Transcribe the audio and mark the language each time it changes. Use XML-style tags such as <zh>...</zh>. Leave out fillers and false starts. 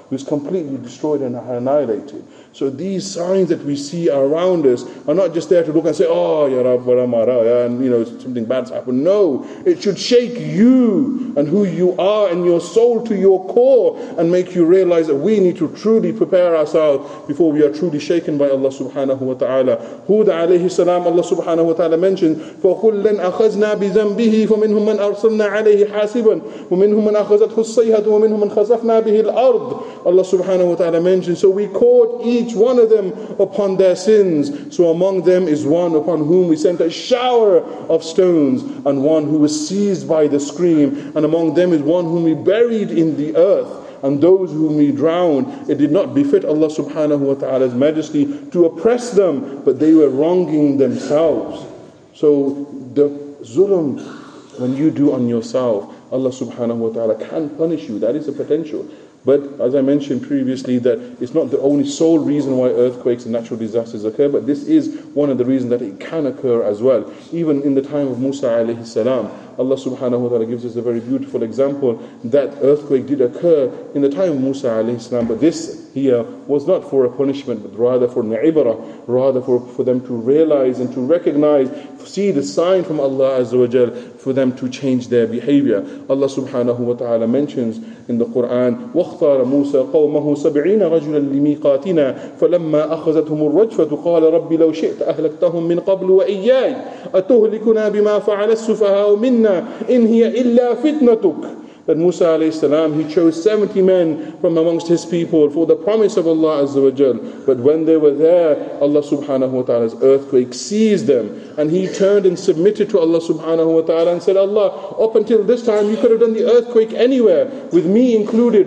<en>He was completely destroyed and annihilated. So these signs that we see around us are not just there to look and say, oh, ya Rab, wa ramara, ya, and you know, something bad's happened. No, it should shake you and who you are and your soul to your core and make you realize that we need to truly prepare ourselves before we are truly shaken by Allah subhanahu wa ta'ala. Hud alayhi salam, Allah subhanahu wa ta'ala mentioned,</en> <ar>فَقُلَّنْ أَخَذْنَا بِذَنْبِهِ فَمِنْهُمْ مَنْ أَرْسَلْنَا عَلَيْهِ حَاسِبًا وَمِنْهُمْ مَنْ أَخَذَتْهُ الصَّيْحَةُ وَمِنْهُمْ مَنْ خَسَفْنَا بِهِ الْأَرْضِ.</ar> <en>Allah subhanahu wa ta'ala mentioned, so we caught each one of them upon their sins. So among them is one upon whom we sent a shower of stones, and one who was seized by the scream, and among them is one whom we buried in the earth, and those whom we drowned. It did not befit Allah subhanahu wa ta'ala's majesty to oppress them, but they were wronging themselves. So the zulm, when you do on yourself, Allah subhanahu wa ta'ala can punish you. That is a potential. But as I mentioned previously, that it's not the only sole reason why earthquakes and natural disasters occur, but this is one of the reasons that it can occur as well. Even in the time of Musa alayhi salam, Allah subhanahu wa ta'ala gives us a very beautiful example that earthquake did occur in the time of Musa alayhi salam, but this here was not for a punishment, but rather for ni'ibara, rather for them to realize and to recognize, see the sign from Allah azza wa jal, for them to change their behavior. Allah subhanahu wa ta'ala mentions in the Quran,</en> <ar>وَاخْتَارَ مُوسَى قَوْمَهُ سَبْعِينَ رَجُلًا لِمِيقَاتِنَا فَلَمَّا أَخَذَتْهُمُ الرَّجْفَةُ قَالَ رَبِّ لَوْ شِئْتَ أَهْلَكْتَهُمْ مِنْ قَبْلُ وَإِيَّايَ أَتُهْلِكُنَا بِمَا فَعَلَ السُّفَهَاءُ مِنَّا إِنْ هِيَ إِلَّا فِتْنَتُكَ.</ar> <en>That Musa alayhi salam, he chose 70 men from amongst his people for the promise of Allah azza wa jal. But when they were there, Allah subhanahu wa ta'ala's earthquake seized them. And he turned and submitted to Allah subhanahu wa ta'ala and said, Allah, up until this time you could have done the earthquake anywhere, with me included.</en>